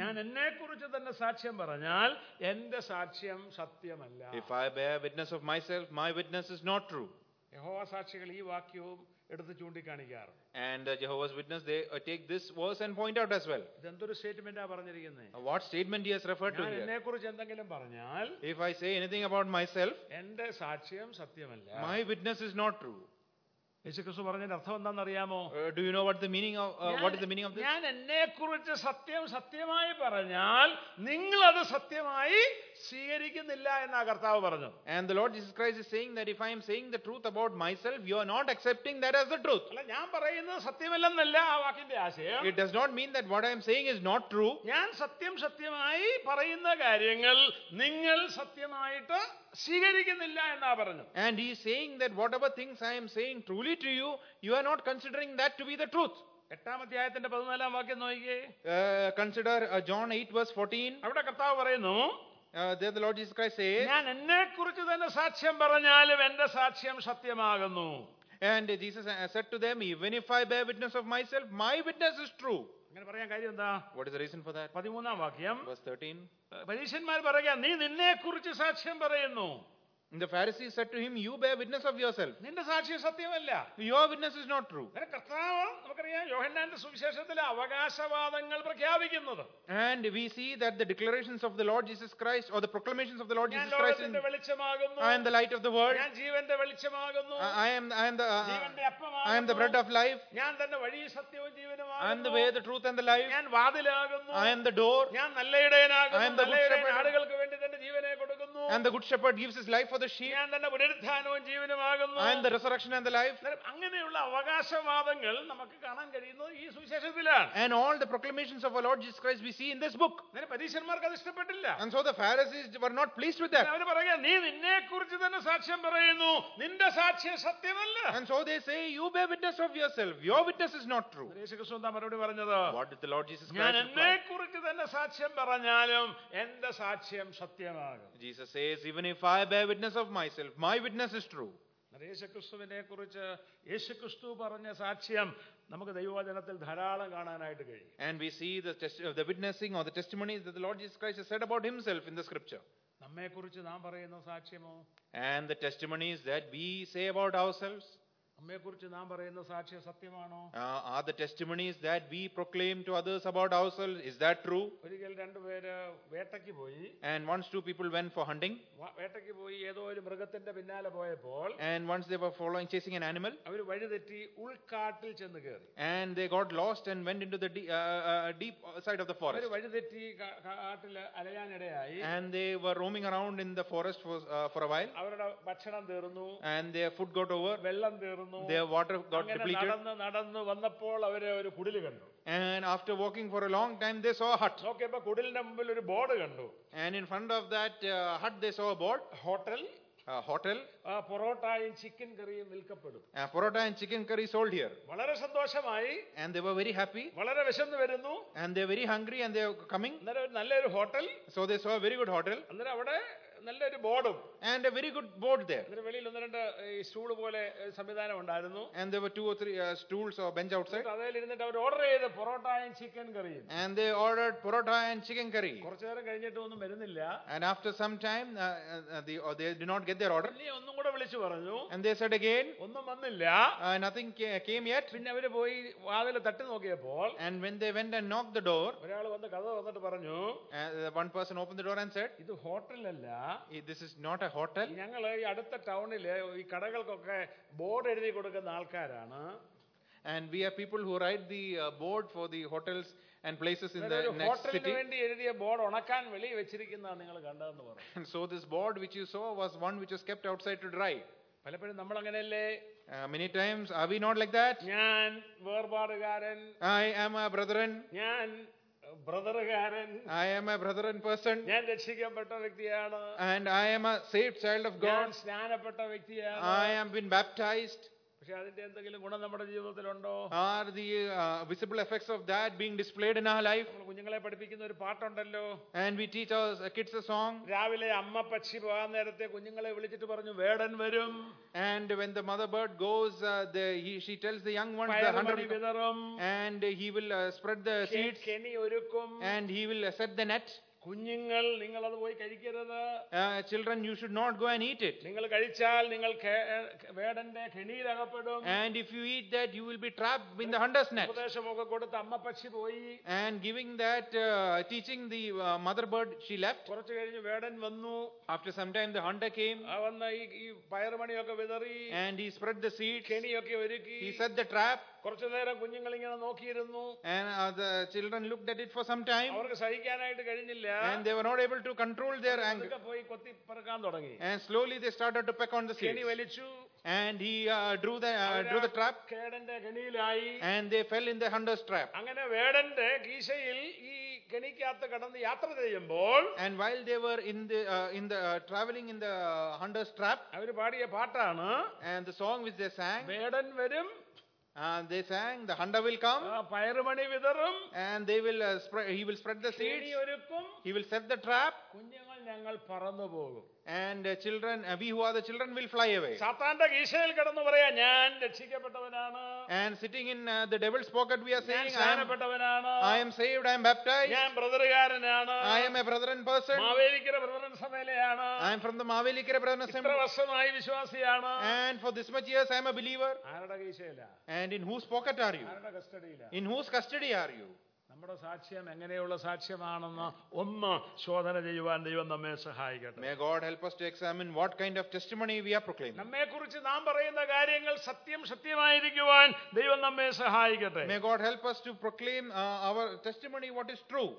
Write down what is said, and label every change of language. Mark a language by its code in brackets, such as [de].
[ml] ഞാൻ എന്നെക്കുറിച്ച് തന്നെ സാക്ഷ്യം പറഞ്ഞാൽ എന്റെ സാക്ഷ്യം സത്യമല്ല. [en] If I bear witness of myself, my witness is not true. [ml] യഹോവ സാക്ഷികൾ ഈ വാക്യവും എടുത്ത് ചൂണ്ടിക്കാണിക്കാറ്. [en] And Jehovah's Witness, they take this verse and point out as well. [ml] ഇതെന്തൊരു സ്റ്റേറ്റ്മെന്റ് ആ പറഞ്ഞിരിക്കുന്നത്? [en] What statement he has referred to here? [ml] ഞാൻ എന്നെക്കുറിച്ച് എന്തെങ്കിലും പറഞ്ഞാൽ, [en] if I say anything about myself, [ml] എന്റെ സാക്ഷ്യം സത്യമല്ല. [en] My witness is not true. [ml] യേശുക്രിസ്തു പറഞ്ഞതിന്റെ അർത്ഥം എന്താണെന്നറിയാമോ? [en] Do you know what the meaning of what is the meaning of this? [ml] ഞാൻ എന്നെക്കുറിച്ച് സത്യം സത്യമായി പറഞ്ഞാൽ നിങ്ങൾ അത് സത്യമായി സ്വീകരിക്കുന്നില്ല എന്നാ കർത്താവ് പറഞ്ഞു. [en] And the Lord Jesus Christ is saying that if I am saying the truth about myself, you are not accepting that as the truth. [ml] അല്ല, ഞാൻ പറയുന്നത് സത്യമല്ലെന്നല്ല ആ വാക്കിന്റെ ആശയം. [en] It does not mean that what I am saying is not true. [ml] ഞാൻ സത്യം സത്യമായി പറയുന്ന കാര്യങ്ങൾ നിങ്ങൾ സത്യമായിട്ട് സ്വീകരിക്കുന്നില്ല എന്നാ പറഞ്ഞു. [en] And he is saying that whatever things I am saying truly to you, you are not considering that to be the truth. [ml] 8-ാം അധ്യായത്തിന്റെ 14-ാം വാക്യം നോക്കിയേ. [en] Consider John 8 verse 14. [ml] അവിടെ കർത്താവ് പറയുന്നു, [en] there the Lord Jesus Christ says, [ml] ഞാൻ എന്നെക്കുറിച്ച് തന്നെ സാക്ഷ്യം പറഞ്ഞാലും എന്റെ സാക്ഷ്യം സത്യമാകുന്നു. [en] And Jesus said to them, even if I bear witness of myself, my witness is true. [ml] അങ്ങനെ പറയാൻ കാര്യം എന്താ? [en] What is the reason for that? [ml] 13-ാം വാക്യം [en] verse 13. [ml] പരീശന്മാർ പറയുക, നീ നിന്നെക്കുറിച്ച് സാക്ഷ്യം പറയുന്നു. [en] And the Pharisees said to him, you bear witness of yourself. [ml] നിന്റെ സാക്ഷ്യം സത്യമല്ല. [en] Your witness is not true. [ml] കർത്താവ് നമുക്കറിയാം പന്ത്രണ്ടാമത്തെ സുവിശേഷത്തിലെ അവകാശവാദങ്ങൾ പ്രഖ്യാപിക്കുന്നത്. [en] And we see that the declarations of the Lord Jesus Christ or the proclamations of the Lord Jesus Christ in I am the light of the world. [ml] ഞാൻ ജീവന്റെ വെളിച്ചമാകുന്നു. [en] I am the bread of life. [ml] ഞാൻ തന്നെ വഴി സത്യവും ജീവനുമാണ്. [en] I am the way, the truth and the life. [ml] ഞാൻ വാതിലാകുന്നു. [en] I am the door. [ml] ഞാൻ നല്ലയിടയനാകുന്നു. [en] I am the good shepherd. [ml] ആടുകൾക്ക് വേണ്ടി തന്നെ ജീവനെ കൊടുക്കുന്നു. [en] And the good shepherd gives his life for the sheep. [ml] ഞാൻ തന്നെ പുനരുത്ഥാനവും ജീവനുമാകുന്നു. [en] I am the resurrection and the life. [ml] അങ്ങനെയുള്ള അവകാശവാദങ്ങൾ നമുക്ക് കാണാൻ കഴിയുന്നത് ഈ സുവിശേഷത്തിലാണ്. [en] And all the proclamations of our Lord Jesus Christ we see in this book. [ml] നേരെ പരീശന്മാർക്ക് അത് ഇഷ്ടപ്പെട്ടില്ല. [en] And so the Pharisees were not pleased with that. [ml] അവർ പറയുകയാണ്, നീ നിന്നെക്കുറിച്ച് തന്നെ സാക്ഷ്യം പറയുന്നു, നിന്റെ സാക്ഷ്യം സത്യമല്ല. [en] And so they say, you bear witness of yourself, your witness is not true. [ml] യേശുക്രിസ്തു എന്താ മറുപടി പറഞ്ഞത്? [en] What did the Lord Jesus Christ say? [ml] ഞാൻ എന്നെക്കുറിച്ച് തന്നെ സാക്ഷ്യം പറഞ്ഞാലും എന്റെ സാക്ഷ്യം സത്യമാകും. [en] Jesus says, even if I bear witness of myself, my witness is true. [ml] യേശുക്രിസ്തുവിനെ കുറിച്ച് യേശുക്രിസ്തു പറഞ്ഞ സാക്ഷ്യം നമുക്ക് ദൈവവചനത്തിൽ ധാരാളം കാണാനായിട്ട് കഴിയും. [en] And we see the witnessing or the testimonies that the Lord Jesus Christ has said about himself in the scripture. [ml] നമ്മെ കുറിച്ച് നാം പറയുന്ന സാക്ഷ്യമോ? [en] And the testimonies that we say about ourselves. [ml] നമ്മെ കുറിച്ച് നാം പറയുന്ന സാക്ഷ്യം സത്യമാണോ? [en] Are the testimonies that we proclaim to others about ourselves, is that true? [ml] ഒരിക്കൽ രണ്ട് പേര് വേട്ടയ്ക്ക് പോയി. [en] And once two people went for hunting. [ml] വേട്ടയ്ക്ക് പോയി ഏതോ ഒരു മൃഗത്തിന്റെ പിന്നാലെ പോയപ്പോൾ. [en] And once they were following chasing an animal. [ml] അവർ വഴിതെറ്റി ഉൾക്കാട്ടിൽ ചെന്ന് കയറി. [en] And they got lost and went into the deep side of the forest. [ml] അവർ വഴിതെറ്റി കാട്ടിൽ അലയാൻ ഇടയായി. [en] And they were roaming around in the forest for a while. [ml] അവരുടെ ഭക്ഷണം തീർന്നു. [en] And their food got over. [ml] വെള്ളം തീർന്നു. [en] Their water got depleted. [ml] നടന്ന് നടന്ന് വന്നപ്പോൾ അവരെ ഒരു കുടില് കണ്ടു. [en] And after walking for a long time they saw a hut. [ml] നോക്കി അപ്പോൾ കുടിലിന്റെ മുമ്പിൽ ഒരു ബോർഡ് കണ്ടു. [en] And in front of that hut they saw a board. Hotel. Hotel. [ml] പൊറോട്ടയും ചിക്കൻ കറിയും വിൽക്കപ്പെടും. [en] Parotta and chicken curry sold here. [ml] വളരെ സന്തോഷമായി. [en] And they were very happy. [ml] വളരെ വിശന്നു വരുന്നു. [en] And they were very hungry and they were coming. [ml] നല്ലൊരു hotel. [en] So they saw a very good hotel. [ml] അന്നേരം അവിടെ നല്ലൊരു ബോർഡും. [en] And a very good board there. [ml] അതിന് വെളിയിൽ ഒന്ന് രണ്ട് സ്റ്റൂള് പോലെ സംവിധാനം ഉണ്ടായിരുന്നു. [en] And there were two or three stools or bench outside. [ml] അതിലിരുന്നിട്ട് our order ചെയ്ത് പൊറോട്ട ആൻഡ് ചിക്കൻ കറിയും. [en] And they ordered parotta and chicken curry. [ml] കുറച്ചു നേരം കഴിഞ്ഞിട്ട് ഒന്നും വരുന്നില്ല. [en] And after some time they did not get their order. And they said again, nothing came yet. [ml] പിന്നെ അവര് പോയി വാതിൽ തട്ടി നോക്കിയപ്പോൾ, [en] and when they went and knocked the door, [ml] ഒരാള് വന്ന് കഥ വന്നിട്ട് പറഞ്ഞു, [en] one person opened the door and said, [ml] ഇത് ഹോട്ടലല്ല, [en] this is not a hotel. [ml] ഞങ്ങൾ ഈ അടുത്ത ടൗണില് ഈ കടകൾക്കൊക്കെ ബോർഡ് എഴുതി കൊടുക്കുന്ന ആൾക്കാരാണ്. [en] And we are people who write the board for the hotels and places in the next city. [ml] ഹോട്ടലിന് വേണ്ടി എഴുതിയ ബോർഡ് ഉണക്കാൻ വെളി വെച്ചിരിക്കുന്നതാണ് നിങ്ങൾ കണ്ടതെന്ന് പറഞ്ഞു. [en] So this board which you saw was one which was kept outside to dry. [ml] പലപ്പോഴും നമ്മൾ അങ്ങനെയല്ലേ? [en] Many times are we not like that? [ml] ഞാൻ വേർപാടുകാരൻ. [en] I am a brethren. [ml] ഞാൻ ബ്രദറുകാരൻ. [en] I am a brethren person. [ml] ഞാൻ രക്ഷിക്കപ്പെട്ട വ്യക്തിയാണ്. [en] And I am a saved child of God. [ml] ഞാൻ സ്നാനപ്പെട്ട വ്യക്തിയാണ്. [en] I am been baptized. [ml] പക്ഷേ അതിന്റെ എന്തെങ്കിലും ഗുണം നമ്മുടെ ജീവിതത്തിലുണ്ടോ? [en] Are the visible effects of that being displayed in our life? [ml] നമ്മൾ കുഞ്ഞുങ്ങളെ പഠിപ്പിക്കുന്ന ഒരു പാട്ടുണ്ടല്ലോ. [en] And we teach our kids a song. [ml] രാവിലെ അമ്മ പക്ഷി പോകാൻ നേരത്തെ കുഞ്ഞുങ്ങളെ വിളിച്ചിട്ട് പറഞ്ഞു, വേടൻ വരും. [en] And when the mother bird goes she tells the young ones, [ml] the 100 വിതറും. [en] And he will spread the seeds. [ml] കെണി ഒരുക്കും. [en] And he will set the net. [ml] കുഞ്ഞുങ്ങൾ നിങ്ങൾ അത് പോയി കഴിക്കരുത്. [en] Children you should not go and eat it. [ml] നിങ്ങൾ കഴിച്ചാൽ നിങ്ങൾ വേടന്റെ കെണിയിൽ അകപ്പെടും. [en] And if you eat that you will be trapped in the hunter's net. [ml] ഉപദേശമൊക്കെ കൊടുത്ത് അമ്മ പക്ഷി പോയി. [en] And giving that teaching the mother bird she left. [ml] കുറച്ചു കഴിഞ്ഞ് വേടൻ വന്നു. [en] After some time the hunter came. [ml] വന്ന് ഈ പയറുമണിയൊക്കെ വിതറി. [en] And he spread the seed. [ml] കെണിയൊക്കെ ഒരുക്കി. [en] He set the trap. [ml] കുറച്ചു നേരം കുഞ്ഞുങ്ങൾ ഇങ്ങനെ നോക്കിയിരുന്നു. [en] And the children looked at it for some time. [ml] അവർക്ക് സഹിക്കാനായിട്ട് കഴിഞ്ഞില്ല. [en] And they were not able to control their anger. [ml] പോയി കൊത്തി പറക്കാൻ തുടങ്ങി. [en] And slowly they started to peck on the seeds. [ml] കെണി വലിച്ചു. [en] And he drew the trap. [ml] കേടന്റെ കെണിയിലായി. [en] And they fell in the hunter's trap. [ml] അങ്ങനെ വേടന്റെ കീശയിൽ ഈ കെണിക്കകത്ത് കടന്ന് യാത്ര ചെയ്യുമ്പോൾ, [en] and while they were in the traveling in the hunter's trap, [ml] അവർ പാടിയ പാട്ടാണ്. [en] And the song which they sang, [ml] വേടൻ വരും. [en] And they sang, the hunter will come. [ml] പയറുമണി വിതറും. [en] And they will spread the seeds. He will set the trap. [ml] കുഞ്ഞുങ്ങൾ ഞങ്ങൾ പറന്നു പോകും. [en] And children, we who are the children will fly away. [ml] സാത്താന്റെ കീശയിൽ കിടന്നു പറയാ ഞാൻ രക്ഷിക്കപ്പെട്ടവനാണ്. [en] And sitting in the devil's pocket we are saying, I am saved, I am baptized. [ml] ഞാൻ ബ്രദറുകാരനാണ്. [en] I am a brethren person. [ml] Mavelikkara brethren സഭയിലാണ്. [en] I am from the Mavelikkara Brethren സഭ. [ml] ഇത്ര വർഷമായി വിശ്വാസിയാണ്. [en] And for this much years I am a believer. [ml] ആരുടെ കീശയിലാ? [en] And in whose pocket are you? [ml] ആരുടെ കസ്റ്റഡിയിലാ? [en] In whose custody are you? [ml] നമ്മുടെ സാക്ഷ്യം എങ്ങനെയുള്ള സാക്ഷ്യമാണെന്ന് ഒന്ന് ശോധന ചെയ്യുവാൻ ദൈവം നമ്മെ സഹായിക്കട്ടെ. [en] May God help us to examine what kind of testimony we are proclaiming. [ml] നമ്മെക്കുറിച്ച് നാം പറയുന്ന കാര്യങ്ങൾ സത്യം സത്യമായിരിക്കുവാൻ ദൈവം നമ്മെ സഹായിക്കട്ടെ. [en] May God help us to proclaim our testimony what is true.